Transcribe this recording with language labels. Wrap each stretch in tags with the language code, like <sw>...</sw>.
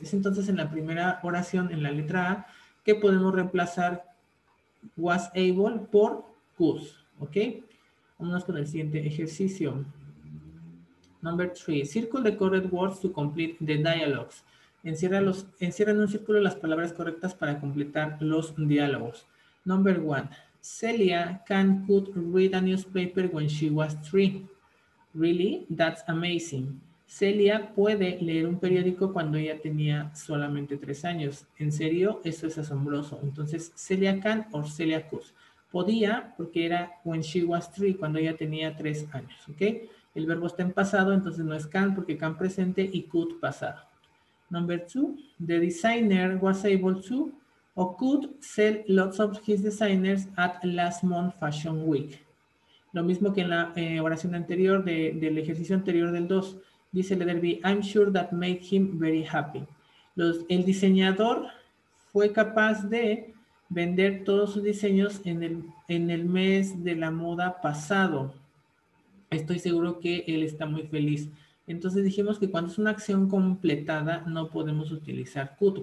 <es>Es entonces en la primera oración, en la letra A, que podemos reemplazar was able por Kuz, ¿ok? Vámonos con el siguiente ejercicio.</es> <en>Number 3. Circle the correct words to complete the dialogues.</en> <es>Encierra en un círculo las palabras correctas para completar los diálogos.</es> <en>Number 1. Celia could read a newspaper when she was 3. Really? That's amazing.</en> <es>Celia puede leer un periódico cuando ella tenía solamente 3 años. ¿En serio? Eso es asombroso. Entonces,</es> <en>Celia can or Celia could.</en> <es>Podía porque era</es> <en>when she was 3,</en> <es>cuando ella tenía 3 años. ¿Ok? El verbo está en pasado, entonces no es can porque can presente y could pasado.</es> <en>Number 2. The designer was able to o could sell lots of his designers at last month fashion week.</en> <es>Lo mismo que en la oración anterior, del ejercicio anterior del 2. Dice el</es> <en>letter B, I'm sure that made him very happy.</en> <es>El diseñador fue capaz de vender todos sus diseños en el mes de la moda pasado. Estoy seguro que él está muy feliz. Entonces dijimos que cuando es una acción completada no podemos utilizar could.</es>